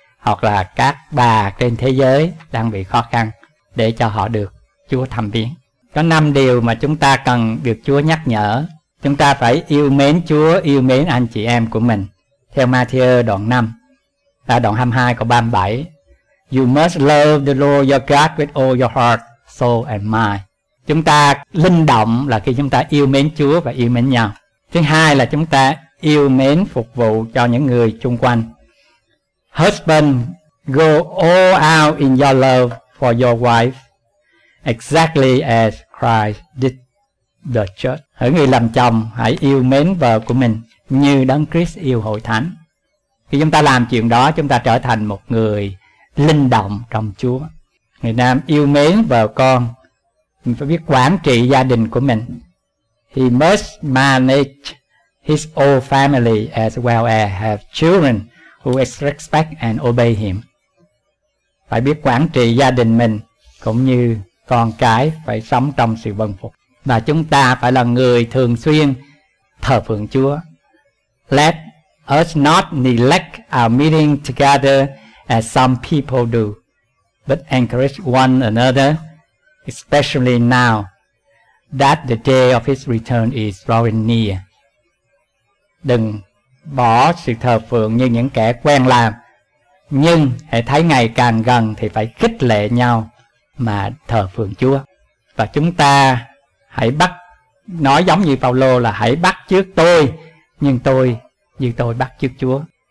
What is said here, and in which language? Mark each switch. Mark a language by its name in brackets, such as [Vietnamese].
[Vietnamese] hoặc là các bà trên thế giới đang bị khó khăn để cho họ được Chúa thăm viếng. Có 5 điều mà chúng ta cần được Chúa nhắc nhở. Chúng ta phải yêu mến Chúa, yêu mến anh chị em của mình. Theo Matthew đoạn 5, là đoạn 22 câu 37. [English] You must love the Lord your God with all your heart, soul and mind. [Vietnamese] Chúng ta linh động là khi chúng ta yêu mến Chúa và yêu mến nhau. Thứ hai là chúng ta yêu mến phục vụ cho những người chung quanh. [English] Husband, go all out in your love for your wife, exactly as Christ did the church. [Vietnamese] Hỡi người làm chồng, hãy yêu mến vợ của mình như Đấng Christ yêu hội thánh. Khi chúng ta làm chuyện đó, chúng ta trở thành một người linh động trong Chúa. Người nam yêu mến vợ con, mình phải biết quản trị gia đình của mình. [English] He must manage his own family as well as have children who respect and obey him. [Vietnamese] Phải biết quản trị gia đình mình cũng như con cái phải sống trong sự vâng phục. Và chúng ta phải là người thường xuyên thờ phượng Chúa. [English] Let us not neglect our meeting together as some people do, but encourage one another, especially now that the day of his return is drawing near. [Vietnamese] Đừng bỏ sự thờ phượng như những kẻ quen làm, nhưng hãy thấy ngày càng gần thì phải khích lệ nhau mà thờ phượng Chúa. Và chúng ta hãy bắt, nói giống như Phao-lô là hãy bắt chước tôi, nhưng tôi như tôi bắt chước Chúa.